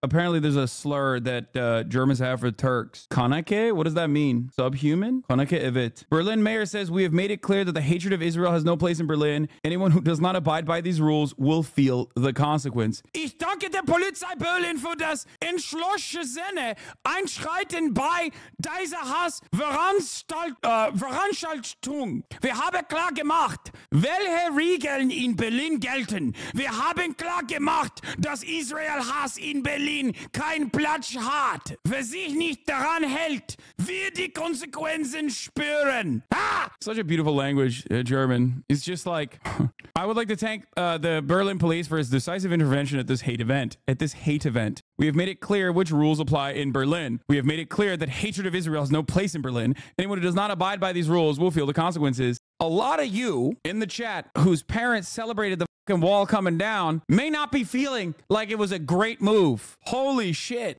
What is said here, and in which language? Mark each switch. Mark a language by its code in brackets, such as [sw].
[en] Apparently there's a slur that Germans have for Turks. Kanake? What does that mean? Subhuman? Kanake evet. Berlin mayor says we have made it clear that the hatred of Israel has no place in Berlin. Anyone who does not abide by these rules will feel the consequence. [de] Ich danke der Polizei Berlin für das entschlossene Einschreiten bei dieser Hass Veranstaltung. Wir haben klar gemacht, welche Regeln in Berlin gelten. Wir haben klar gemacht, dass Israel Hass in Berlin kein Platz hat. Wer sich nicht daran hält, wird die Konsequenzen spüren. Ha! [en] Such a beautiful language, German. It's just like, I would like to thank the Berlin police for his decisive intervention at this hate event. At this hate event. We have made it clear which rules apply in Berlin. We have made it clear that hatred of Israel has no place in Berlin. Anyone who does not abide by these rules will feel the consequences. A lot of you in the chat whose parents celebrated the fucking wall coming down may not be feeling like it was a great move. Holy shit.